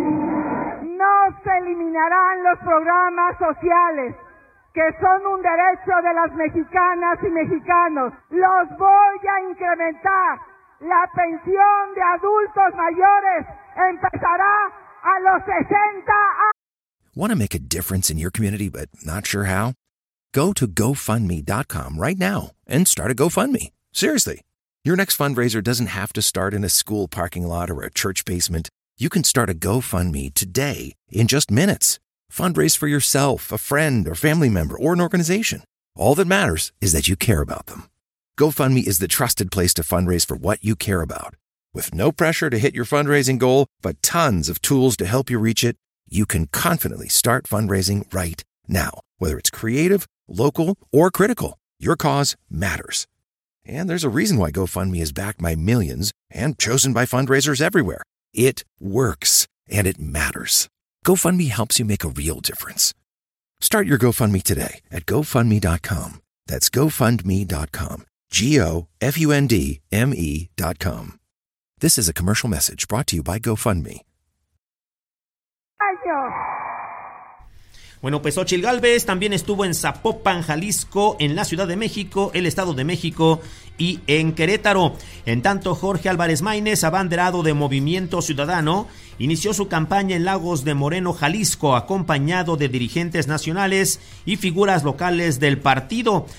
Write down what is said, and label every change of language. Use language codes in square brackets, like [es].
[es] No se eliminarán los programas sociales, que son un derecho de las mexicanas y mexicanos. Los voy a incrementar. La pensión de adultos mayores empezará a los 60 años. [en] Want to make a difference in your community but not sure how? Go to GoFundMe.com right now and start a GoFundMe. Seriously, your next fundraiser doesn't have to start in a school parking lot or a church basement. You can start a GoFundMe today in just minutes. Fundraise for yourself, a friend, or family member, or an organization. All that matters is that you care about them. GoFundMe is the trusted place to fundraise for what you care about. With no pressure to hit your fundraising goal, but tons of tools to help you reach it, you can confidently start fundraising right now. Whether it's creative, local, or critical, your cause matters. And there's a reason why GoFundMe is backed by millions and chosen by fundraisers everywhere. It works, and it matters. GoFundMe helps you make a real difference. Start your GoFundMe today at GoFundMe.com. That's GoFundMe.com. GoFundMe.com. This is a commercial message brought to you by GoFundMe. [es] Bueno, pues Xochitl Gálvez también estuvo en Zapopan, Jalisco, en la Ciudad de México, el Estado de México y en Querétaro. En tanto, Jorge Álvarez Máynez, abanderado de Movimiento Ciudadano, inició su campaña en Lagos de Moreno, Jalisco, acompañado de dirigentes nacionales y figuras locales del partido.